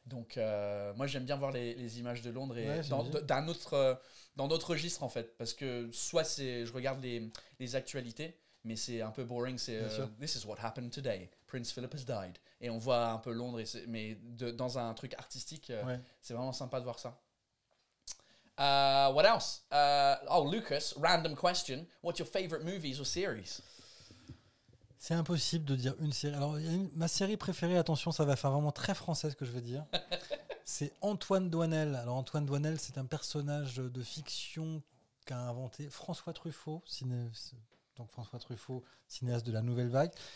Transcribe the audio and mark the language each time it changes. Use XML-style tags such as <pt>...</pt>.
<fr>Donc moi j'aime bien voir les images de Londres et dans d'autres registres en fait, parce que soit je regarde les actualités. Mais c'est un peu boring, c'est</fr> <en>This is what happened today, Prince Philip has died.</en> <fr>Et on voit un peu Londres, mais dans un truc artistique, c'est vraiment sympa de voir ça.</fr> <en>What else? Lucas, random question, what's your favorite movies or series?</en> <fr>C'est impossible de dire une série. Alors, ma série préférée, attention, ça va faire vraiment très français ce que je vais dire. C'est Antoine Doinel. Alors, Antoine Doinel, c'est un personnage de fiction qu'a inventé François Truffaut, cinéaste de la Nouvelle Vague.</fr>